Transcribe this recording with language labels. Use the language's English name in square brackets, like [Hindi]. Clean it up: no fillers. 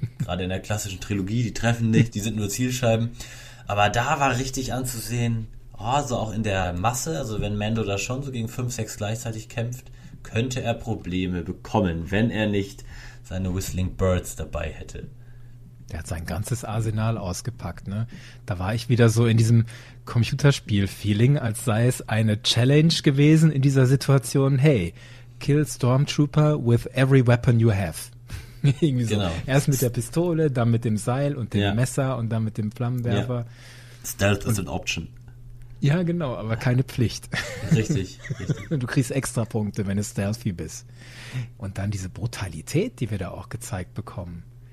[German] Gerade in der klassischen Trilogie, die treffen nicht, die sind nur Zielscheiben. Aber da war richtig anzusehen, oh, so auch in der Masse, also wenn Mando da schon so gegen 5, 6 gleichzeitig kämpft, könnte er Probleme bekommen, wenn er nicht seine Whistling Birds dabei hätte. Der hat sein ganzes Arsenal ausgepackt, ne? Da war ich wieder so in diesem Computerspiel-Feeling, als sei es eine Challenge gewesen in dieser Situation. [English] Hey, kill Stormtrooper with every weapon you have. [German] Irgendwie so. Genau. Erst mit der Pistole, dann mit dem Seil und dem Messer und dann mit dem Flammenwerfer. [English] Yeah. Stealth is an option. [German] Ja, genau, aber keine Pflicht. Richtig, richtig. Du kriegst extra Punkte, wenn du stealthy bist. Und dann diese Brutalität, die wir da auch gezeigt bekommen.